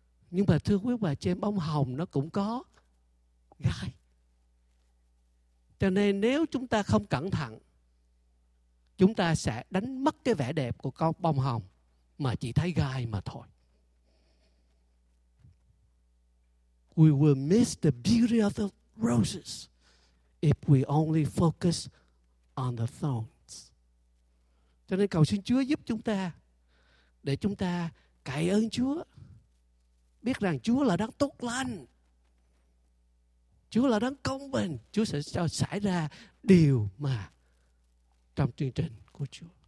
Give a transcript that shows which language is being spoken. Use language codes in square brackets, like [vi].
[vi] Nhưng mà thưa quý bà, trên bông hồng nó cũng có gai. Cho nên nếu chúng ta không cẩn thận, chúng ta sẽ đánh mất cái vẻ đẹp của con bông hồng mà chỉ thấy gai mà thôi. [en] We will miss the beauty of the roses if we only focus on the thorns. [vi] Cho nên cầu xin Chúa giúp chúng ta để chúng ta cậy ơn Chúa, biết rằng Chúa là đấng tốt lành, Chúa là đấng công bình, Chúa sẽ cho xảy ra điều mà trong chương trình của Chúa.